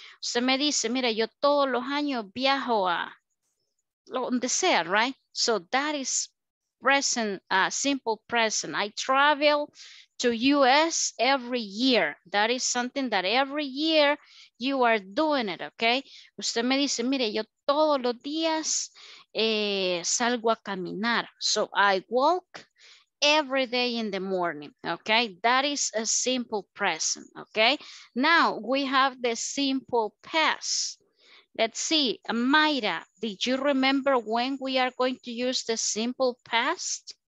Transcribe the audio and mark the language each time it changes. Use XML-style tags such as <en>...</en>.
<es>Usted me dice, mira, yo todos los años viajo a donde sea, right?</es> <en>So that is present, simple present. I travel to US every year. That is something that every year you are doing it, okay?</en> <es>Usted me dice, mire, yo todos los días salgo a caminar.</es> <en>So I walk every day in the morning, okay? That is a simple present, okay? Now we have the simple past. Let's see, Mayra, did you remember when we are going to use the simple past?</en>